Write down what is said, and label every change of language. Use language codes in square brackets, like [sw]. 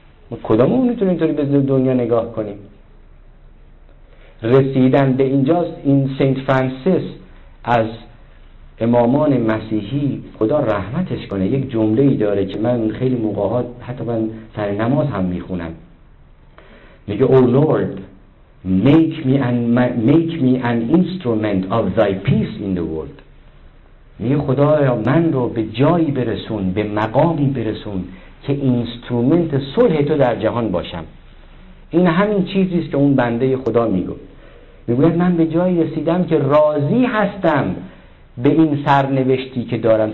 [fa] ما کدامون میتونیم اینطوری به دنیا نگاه کنیم؟ رسیدن به اینجاست. این سنت فرانسیس از امامان مسیحی، خدا رحمتش کنه، یک جمله ای داره که من خیلی موقعات حتی من سر نماز هم میخونم. [en] میگه O lord make me an instrument of thy peace in the world. [fa] میگه خدایا من رو به جایی برسون، به مقامی برسون که اینسترومنت صلح تو در جهان باشم. این همین چیزیست که اون بنده خدا میگه. میگوید من به جایی رسیدم که راضی هستم به این سرنوشتی که دارم.